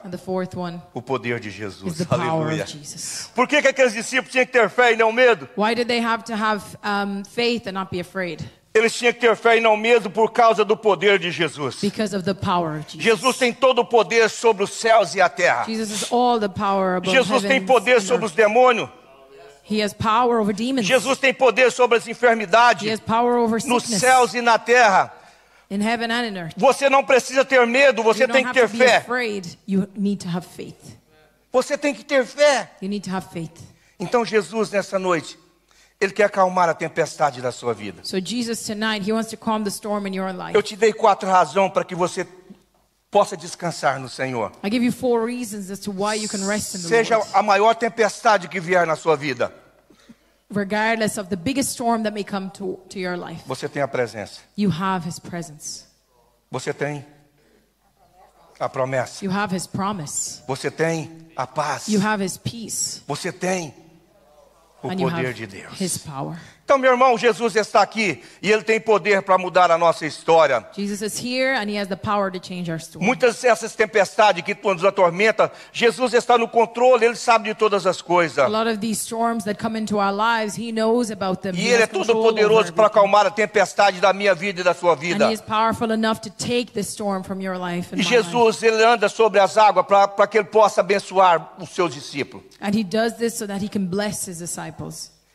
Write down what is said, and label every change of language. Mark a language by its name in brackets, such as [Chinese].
[English] And the fourth one. [Portuguese] O poder de Jesus. [English] Is the [Portuguese] Aleluia. [English] Power of Jesus. [Portuguese] Por que que aqueles discípulos tinham que ter fé e não medo? [English] Why did they have to have faith and not be afraid? [Portuguese] Eles tinham que ter fé e não medo por causa do poder de Jesus. [English] Because of the power of Jesus. [Portuguese] Jesus tem todo o poder sobre os céus e a terra. [English] Jesus has all the power above [Portuguese] Jesus tem poder sobre [English] earth. [Portuguese] Os demônios. [English] He has power over demons. [Portuguese] Jesus tem poder sobre as enfermidades. [English] He has power over sickness. [Portuguese] Nos céus e na terra. [English] In heaven and in earth. [Portuguese] Você não precisa ter medo, você [English] you [Portuguese] tem que ter [English] to [Portuguese] fé. [English] Be afraid, you need to have faith. [Portuguese] Você tem que ter fé. [English] You need to have faith. [Portuguese] Então Jesus nessa noite, ele quer acalmar a tempestade da sua vida. [English] So Jesus tonight, he wants to calm the storm in your life. [Portuguese] Eu te dei quatro razões para que você possa descansar no Senhor. [English] I give you four reasons as to why you can rest in the Lord. [Portuguese] Seja a maior tempestade que vier na sua vida. [English] Regardless of the biggest storm that may come to your life. [Portuguese] Você tem a presença. [English] You have his presence. [Portuguese] Você tem a promessa. [English] You have his promise. [Portuguese] Você tem a paz. [English] You have his peace. [Portuguese] Você tem o [English] and [Portuguese] poder de Deus. [English] His power. [Portuguese] Então, meu irmão, Jesus está aqui e ele tem poder para mudar a nossa história. [English] Jesus is here and he has the power to change our story. [Portuguese] Muitas dessas tempestades que nos atormentam, Jesus está no controle, ele sabe de todas as coisas. [English] A lot of these storms that come into our lives, he knows about them. [Portuguese] E ele é todo poderoso para acalmar a tempestade da minha vida e da sua vida. [English] And he is powerful enough to take the storm from your life and mine. [Portuguese] E Jesus, ele anda sobre as águas para que ele possa abençoar os seus discípulos. [English] And he does this so that he can bless his disciples.